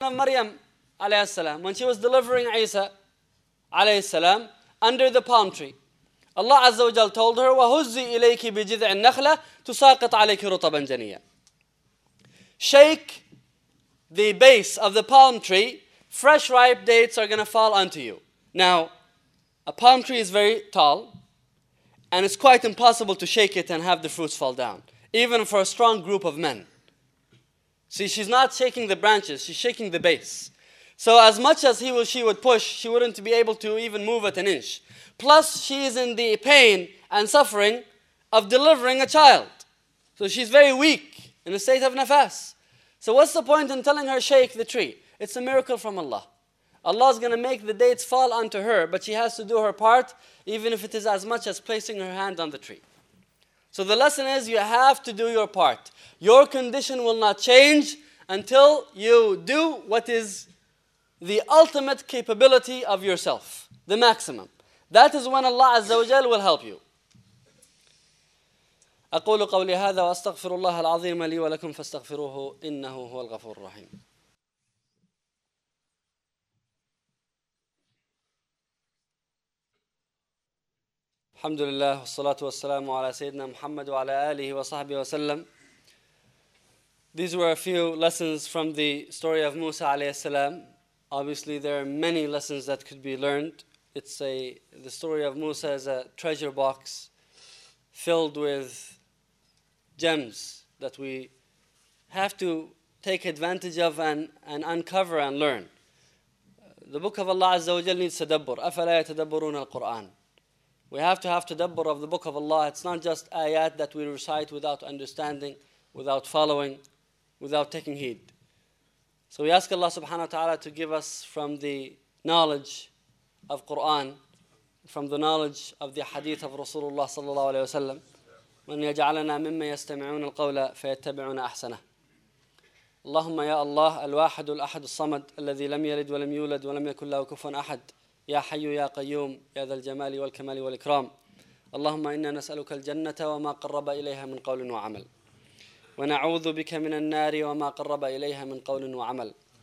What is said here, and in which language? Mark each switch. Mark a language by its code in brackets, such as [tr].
[en] of Maryam, alayhi salam, when she was delivering Isa, alayhi salam, under the palm tree. Allah Azza wa Jal told her, [ar] وَهُزِّي إِلَيْكِ بِجِذْعِ النَّخْلَةِ تُسَاقِطْ عَلَيْكِ رُطَبًا جَنِيًا. [en] Shake the base of the palm tree, fresh ripe dates are going to fall onto you. Now, a palm tree is very tall, and it's quite impossible to shake it and have the fruits fall down, even for a strong group of men. See, she's not shaking the branches, she's shaking the base. So as much as he or she would push, she wouldn't be able to even move it an inch. Plus, she is in the pain and suffering of delivering a child. So she's very weak, in a state of nafas. So what's the point in telling her, shake the tree? It's a miracle from Allah. Allah is going to make the dates fall onto her, but she has to do her part, even if it is as much as placing her hand on the tree. So the lesson is, you have to do your part. Your condition will not change until you do what is the ultimate capability of yourself, the maximum. That is when Allah Azza wa Jal will help you. [ar] أقول قولي هذا وأستغفر الله العظيم لي ولكم فاستغفروه إنه هو الغفور الرحيم. الحمد لله والصلاة والسلام على سيدنا محمد وعلى آله وصحبه وسلم. [en] These were a few lessons from the story of Musa عليه السلام. Obviously, there are many lessons that could be learned. The story of Musa is a treasure box filled with gems that we have to take advantage of and uncover and learn. The book of Allah Azza wa Jal needs tadabbur. [ar] أَفَلَا يَتَدَبَّرُونَ الْقُرْآنَ. [en] We have to have tadabbur of the book of Allah. It's not just ayat that we recite without understanding, without following, without taking heed. So we ask Allah subhanahu wa ta'ala to give us from the knowledge of Quran, from the knowledge of the hadith of Rasulullah sallallahu alayhi wa sallam, [ar] وَنْ يَجْعَلَنَا مِمَّا يَسْتَمِعُونَ الْقَوْلَ فَيَتَّبِعُونَ أَحْسَنَهُ. اللهم يا الله الواحد الأحد الصمد الذي لم يلد ولم يولد ولم يكن له كفوا أحد. يا حي يا قيوم يا ذا الجمال والكمال والإكرام. اللهم إنا نسألك الجنة وما قرب إليها من قول وعمل. ونعوذ بك من النار وما قرب إليها من قول وعمل.